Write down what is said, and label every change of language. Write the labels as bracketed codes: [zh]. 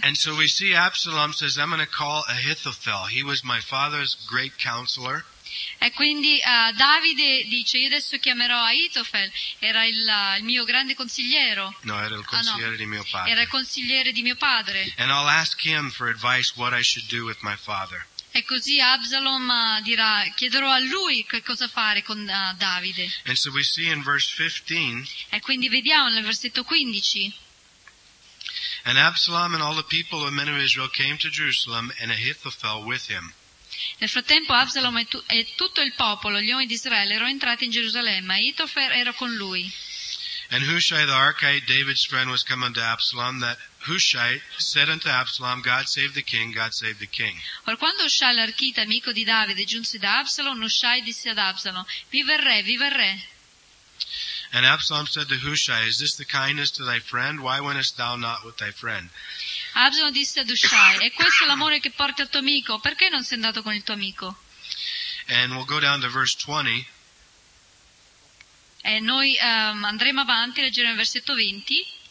[en] And so we see Absalom says, I'm going to call Ahithophel. He was my father's great counselor. [it] E quindi Davide dice, io adesso chiamerò Ahitofel, era il mio grande consigliere. No, era il consigliere di mio padre. Era il consigliere di mio padre. [en] And I'll ask him for advice what I should do with my father. [it] E così Absalom dirà, chiederò a lui che cosa fare con Davide. [en] And so we see in verse 15. [it] E quindi vediamo nel versetto 15. [en] And Absalom and all the people of men of Israel came to Jerusalem, and Ahithophel with him. [it] Nel frattempo Absalom e tutto il popolo, gli uomini di Israele, erano entrati in Gerusalemme. Ahitofel era con lui. [en] And Hushai the Archite, David's friend, was come unto Absalom, that Hushai said unto Absalom, God save the king, God save the king. [it] Or quando Hushai l'Archite, amico di Davide, giunse da Absalom, Hushai disse ad Absalom, viva il re, viva il re. [en] And Absalom said to Hushai, is this the kindness to thy friend? Why wentest thou not with thy friend? [it] Absalom disse ad Hushai, è questo l'amore che porti al tuo amico? Perché non sei andato con il tuo amico? [en] And we'll go down to verse 20. [it] E noi andremo avanti, leggeremo il versetto 20.